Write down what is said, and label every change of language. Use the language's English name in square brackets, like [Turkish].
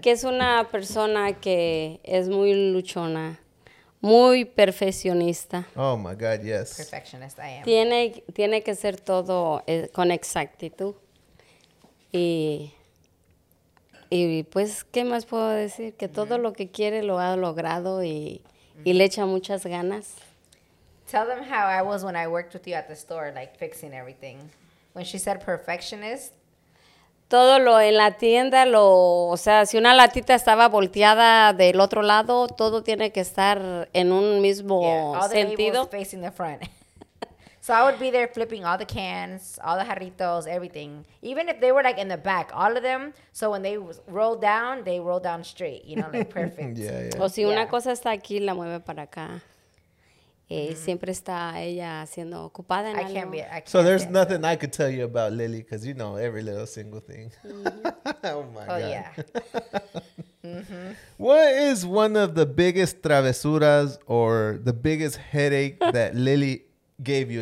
[Spanish] Que es una persona que es muy luchona, muy perfeccionista. [English] Oh, my God, yes. Perfectionist, I am. [Spanish] Tiene que ser todo con exactitud. Y pues, ¿qué más puedo decir? Que todo lo que quiere lo ha logrado y le echa muchas ganas. [English] Tell them how I was when I worked with you at the store, like fixing everything. When she said perfectionist. [Spanish] Todo lo en la tienda, o sea, si una latita estaba volteada del otro lado, todo tiene que estar en un mismo sentido. [English] All the tables facing the front. So I would be there flipping all the cans, all the jarritos, everything. Even if they were like in the back, all of them. So when they rolled down, they rolled down straight. You know, like perfect. Yeah, yeah. [Spanish] O si una cosa está aquí, la mueve para acá. Siempre está ella siendo ocupada en algo. [English] So there's nothing I could tell you about Lily because you know every little single thing. Mm-hmm. Oh my God. Oh yeah. Mm-hmm. What is one of the biggest travesuras or the biggest headache that Lily gave you?